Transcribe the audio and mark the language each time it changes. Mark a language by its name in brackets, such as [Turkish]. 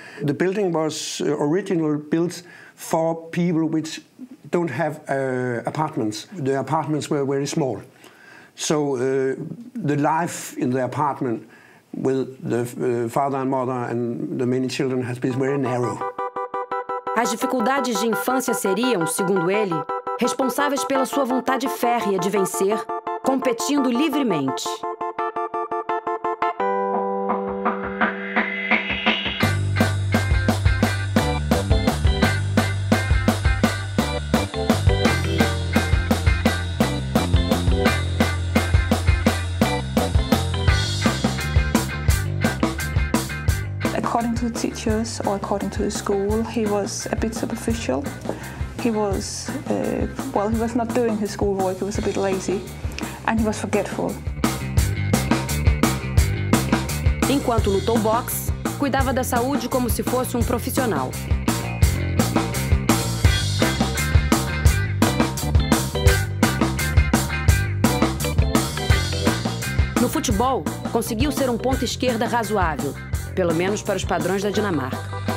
[English] The building was originally built for people which don't have apartments. The apartments were very small. So the life in the apartment with the father and mother and the many children has been very narrow. [Portuguese] As dificuldades de infância seriam, segundo ele, responsáveis pela sua vontade férrea de vencer, competindo livremente. [English] According to teachers, or according to the school, he was a bit superficial. He was, well, he was not doing his schoolwork, he was a bit lazy, and he was forgetful. [Portuguese] Enquanto lutou boxe, cuidava da saúde como se fosse um profissional. No futebol, conseguiu ser um ponta esquerda razoável, pelo menos para os padrões da Dinamarca.